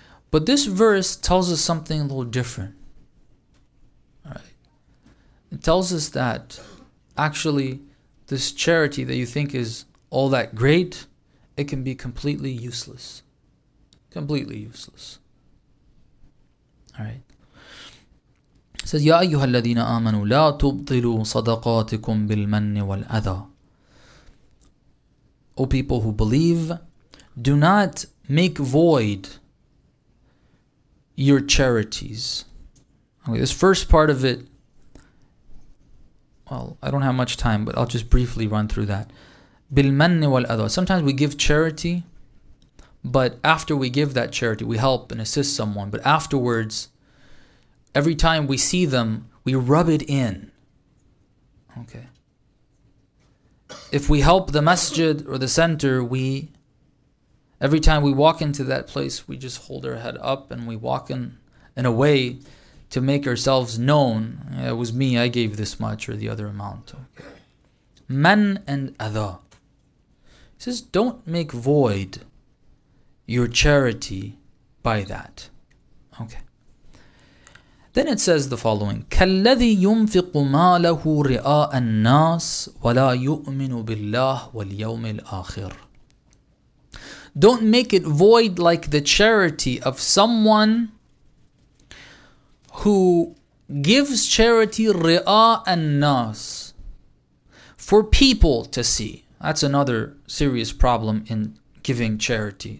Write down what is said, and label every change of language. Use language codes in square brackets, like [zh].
[en] But this verse tells us something a little different. All right. It tells us that actually this charity that you think is all that great, it can be completely useless. Completely useless. All right. It says, [ar] يَا أَيُّهَا الَّذِينَ آمَنُوا لَا تُبْطِلُوا صَدَقَاتِكُمْ بِالْمَنِّ وَالْأَذَى. [en] O people who believe, do not make void your charities. Okay, this first part of it, well, I don't have much time, but I'll just briefly run through that. [ar] بِالْمَنِّ وَالْأَذَى. [en] Sometimes we give charity, but after we give that charity, we help and assist someone, but afterwards, every time we see them, we rub it in. Okay. If we help the masjid or the center, we, every time we walk into that place, we just hold our head up and we walk in a way to make ourselves known. It was me, I gave this much or the other amount. Okay. Man and adha. He says, don't make void your charity by that. Okay. Then it says the following: [ar] كَالَّذِي يُنفِقُ مَالَهُ رِئَاءَ النَّاسِ وَلَا يُؤْمِنُ بِاللَّهِ وَالْيَوْمِ الْآخِرِ. [en] Don't make it void like the charity of someone who gives charity [ar] رِئَاءَ النَّاسِ [en] for people to see. That's another serious problem in giving charity.